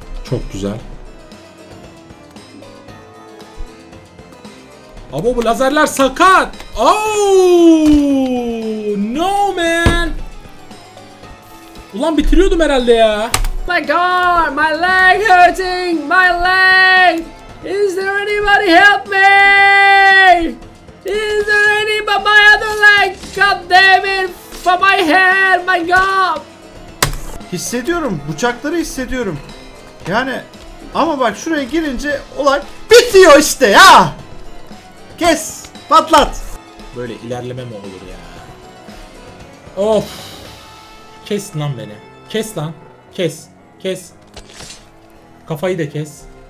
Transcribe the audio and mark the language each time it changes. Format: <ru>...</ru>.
<tr>Çok güzel. Abo bu lazerler sakat. Oh, no man. Ulan bitiriyordum herhalde ya.</tr> <en>my god, my leg hurting, my leg. Is there anybody help me? Is there anybody, my other leg, god damn it, for my head, my god.</en> <tr>Hissediyorum, bıçakları hissediyorum. Yani ama bak şuraya girince olay bitiyor işte ya. Kes, patlat. Böyle ilerleme mi olur ya? Of. Kes lan beni. Kes lan. Kes. Kes. Kafayı da kes.</tr>